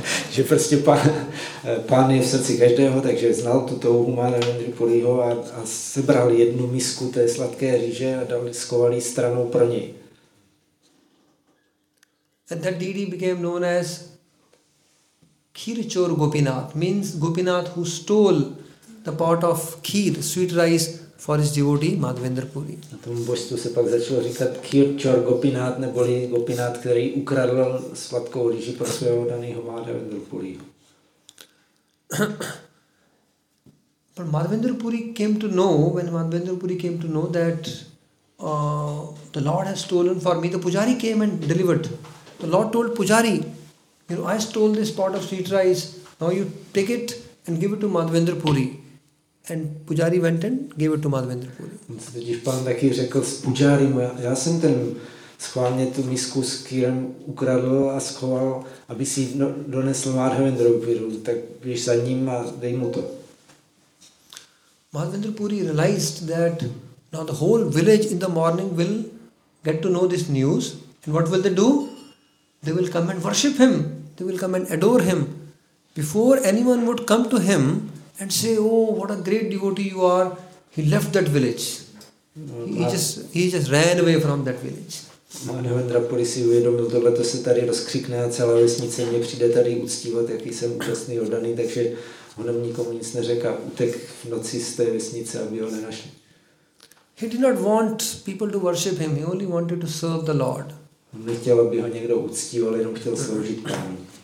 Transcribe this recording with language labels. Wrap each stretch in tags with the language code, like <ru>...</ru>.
<cs>Že prostě pán je v srdci každého, takže znal tu touhu Madhavendry Puriho a sebral jednu misku té sladké rýže a dal schovalý stranou pro něj.</cs> <en>And that deity became known as Kheerchor Gopinath, means Gopinath who stole the pot of kheer, sweet rice, for his devotee Madhavendra Puri.</en> <cs>A tomu božstvu se pak začalo říkat Kheerchor Gopinath, neboli Gopinath, který ukradl sladkou rýži pro svého daného Madhavendra Puri.</cs> <en>But Madhavendra Puri came to know, when Madhavendra Puri came to know that the Lord has stolen for me, the Pujari came and delivered. The Lord told Pujari, you know, I stole this pot of sweet rice, now you take it and give it to Madhavendra Puri. And Pujari went and gave it to Madhavendra Puri.</en> <cs>Když pán taky řekl s Pujari, já jsem ten schválně tu misku s kýrem ukradl a schoval, aby si donesl Madhavendra Puri, tak běž za ním a dej mu to.</cs> <en>Madhavendra Puri realized that now the whole village in the morning will get to know this news. And what will they do? They will come and worship him. They will come and adore him. Before anyone would come to him and say, oh, what a great devotee you are, he left that village. He just ran away from that village.</en> <cs>Madhavendra Puri si uvědomil, tohle to se tady rozkřikne a celá vesnice mě přijde tady uctívat, jaký jsem úžasný oddaný, takže on nikomu nic neřekl a utek v noci z té vesnice, aby ho nenašli.</cs> <en>He did not want people to worship him, he only wanted to serve the Lord.</en> <cs>Nechtěl, aby ho někdo uctíval, jenom chtěl sloužit pánu.</cs>